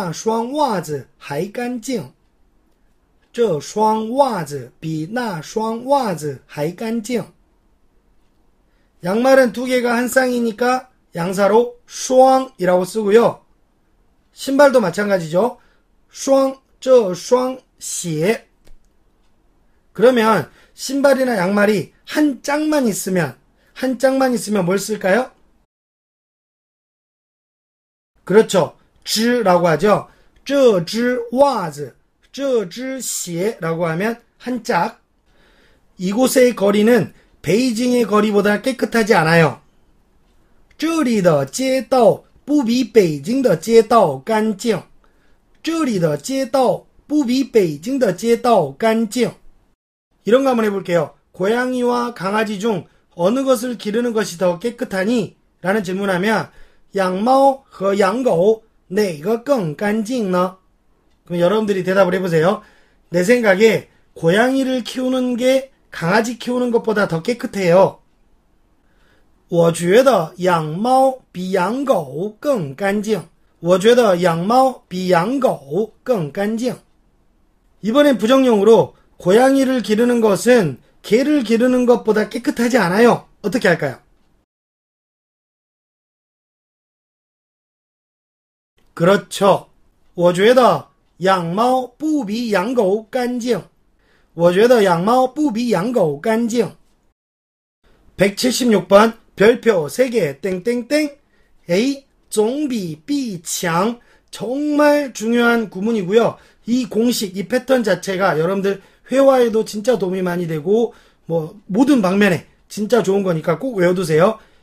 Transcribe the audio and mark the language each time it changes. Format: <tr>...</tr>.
<zh>这双袜子比那双袜子还干净。这双袜子比那双袜子还干净.</zh> <ko>양말은 두 개가 한 쌍이니까 양사로 双이라고 쓰고요. 신발도 마찬가지죠.</ko> <zh>双, 这双鞋.</zh> <ko>그러면 신발이나 양말이 한 짝만 있으면, 한 짝만 있으면 뭘 쓸까요? 그렇죠. 只라고 하죠.</ko> <zh>这只袜子. 这只鞋</zh> <ko>라고 하면 한 짝. 이곳의 거리는 베이징의 거리보다 깨끗하지 않아요.</ko> <zh>这里的街道不比北京的街道干净. 这里的街道不比北京的街道干净.</zh> <ko>이런 거 한번 해볼게요. 고양이와 강아지 중 어느 것을 기르는 것이 더 깨끗하니? 라는 질문하면</ko> <zh>养猫和养狗哪个更干净呢？</zh> <ko>그럼여러분들이대답을해보세요내생각에고양이를키우는게강아지키우는것보다더깨끗해요</ko> <zh>我觉得养猫比养狗更干净。我觉得养猫比养狗更干净。</zh> <ko>이번엔부정용으로고양이를기르는것은개를기르는것보다깨끗하지않아요어떻게할까요 그렇죠</ko> <zh>我觉得养猫不比养狗干净。我觉得养猫不比养狗干净。</zh> <ko>176번별표세개땡땡땡</ko> <zh>A 总比 B 强</zh> <ko>정말중요한구문이고요이공식이패턴자체가여러분들회화에도진짜도움이많이되고뭐모든방면에진짜좋은거니까꼭외워두세요</ko>